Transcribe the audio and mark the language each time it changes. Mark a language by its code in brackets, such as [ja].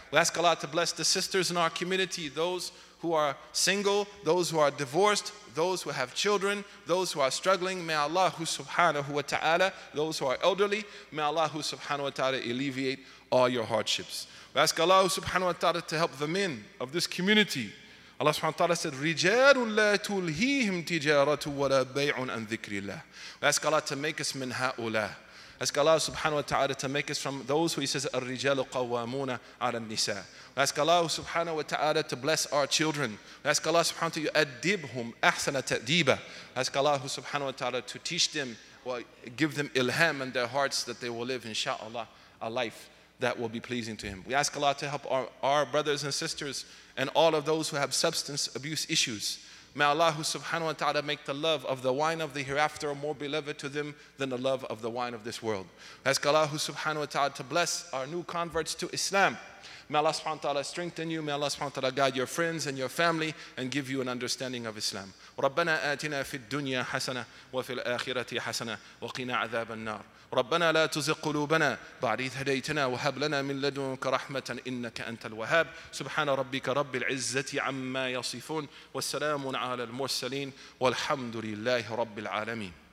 [en] We ask Allah to bless the sisters in our community, those who are single, those who are divorced, those who have children, those who are struggling. May Allah subhanahu wa ta'ala, those who are elderly, may Allah subhanahu wa ta'ala alleviate all your hardships. We ask Allah subhanahu wa ta'ala to help the men of this community. Allah subhanahu wa ta'ala said, [ar] رِجَالٌ لَا تُلْهِيهِمْ تِجَارَةٌ وَلَا بَيْعٌ عَنْ ذِكْرِ اللَّهِ. [en] We ask Allah to make us [ar] مِنْ هَؤُلَىٰ. [en] Ask Allah subhanahu wa ta'ala to make us from those who He says, [ar] الرِّجَالُ قَوَّامُونَ عَلَى النِّسَاءِ. [en] We ask Allah subhanahu wa ta'ala to bless our children. We ask Allah subhanahu wa ta'ala to [ar] يُؤَدِّبْهُمْ أَحْسَنَ تَأْدِيبًا. [en] Ask Allah subhanahu wa ta'ala to teach them, give them ilham in their hearts that they will live, inshallah, a life that will be pleasing to Him. We ask Allah to help our brothers and sisters and all of those who have substance abuse issues. May Allah subhanahu wa ta'ala make the love of the wine of the hereafter more beloved to them than the love of the wine of this world. We ask Allah subhanahu wa ta'ala to bless our new converts to Islam. May Allah subhanahu wa ta'ala strengthen you. May Allah subhanahu wa ta'ala guide your friends and your family and give you an understanding of Islam. [ar] ربنا آتنا في الدنيا حسنة وفي الآخرة حسنة وقنا عذاب النار. ربنا لا تزغ قلوبنا بعد إذ هديتنا وهب لنا من لدنك رحمة إنك أنت الوهاب. سبحان ربك رب العزة عما يصفون وسلام على المرسلين والحمد لله رب العالمين.